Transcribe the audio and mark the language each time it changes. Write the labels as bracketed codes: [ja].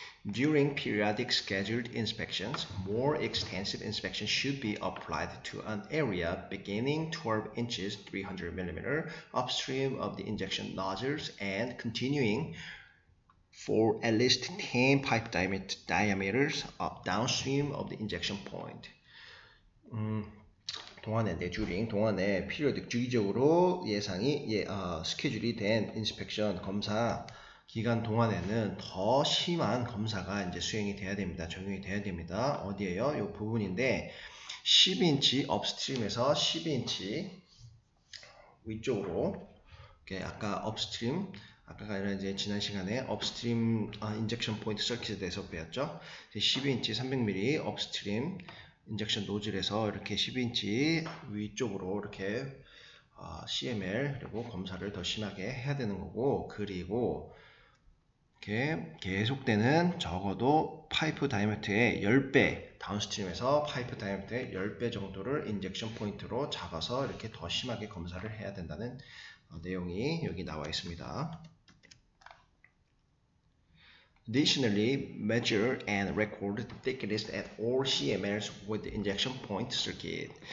[en] During periodic scheduled inspections, more extensive inspection should be applied to an area beginning 12 inches (300 mm) upstream of the injection nozzles and continuing for at least 10 pipe diameters up downstream of the injection point. [ko] 동안에 내 주링 동안에 [en] periodic [ko] 주기적으로 예상이 예 스케줄이 된 인스펙션 검사 기간 동안에는 더 심한 검사가 이제 수행이 돼야 됩니다. 적용이 돼야 됩니다. 어디에요? 요 부분인데, 10인치 업스트림에서 10인치 위쪽으로, 이렇게 아까 업스트림, 아까가 아니라 이제 지난 시간에 업스트림, 인젝션 포인트 서킷에 대해서 배웠죠? 10인치 300mm 업스트림 인젝션 노즐에서 이렇게 10인치 위쪽으로 이렇게 CML, 그리고 검사를 더 심하게 해야 되는 거고, 그리고, 계속되는 적어도 파이프 다이아메터의 10배, 다운스트림에서 파이프 다이아메터의 10배 정도를 인젝션 포인트로 잡아서 이렇게 더 심하게 검사를 해야 된다는 내용이 여기 나와 있습니다. [en] Additionally, measure and record the thickness at all CMLs with injection point circuit.